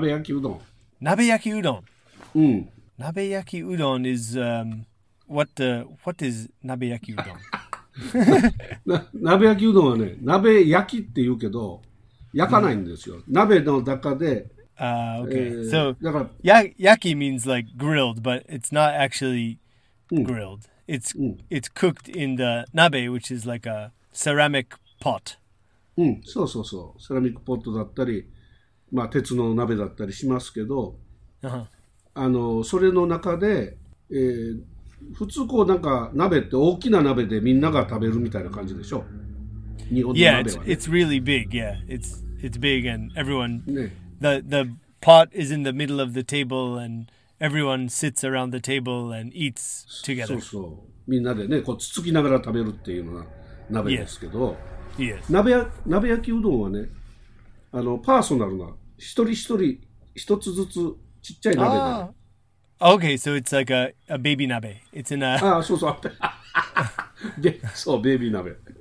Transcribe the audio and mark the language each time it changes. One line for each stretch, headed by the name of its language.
Japanese: 焼きうどんじゃない、鍋焼きうどん。
English: 鍋焼きうどん is what is 鍋焼きうどん
Japanese: 鍋焼きうどんはね、鍋焼きって言うけど、焼かないんですよ。鍋の中で。
English: Okay. So,
Japanese: だから
English: 焼き means like grilled, but it's not actually grilled. It's cooked in the 鍋, which is like a ceramic pot.
Japanese: うん、そうそうそう、セラミックポットだったり、まあ、鉄の鍋だったりしますけど、
English: uh-huh.
Japanese: あのそれの中で、普通こうなんか鍋って大きな鍋でみんなが食べるみたいな感じでしょ。日本の鍋は、ね。
English: Yeah, it's really big. Yeah, it's big and everyone、ね、the pot is in the middle of the table and everyone sits around the table and eats together.
Japanese: そうそう。みんなでねこうつつきながら食べるっていうのが鍋ですけど。
English: Yes.
Japanese: 鍋焼きうどんはね、あのパーソナルな一人一人一つずつちっちゃい鍋が。
English: Okay, so it's like a baby nabe. It's in a... Ah, so, so. So, baby nabe.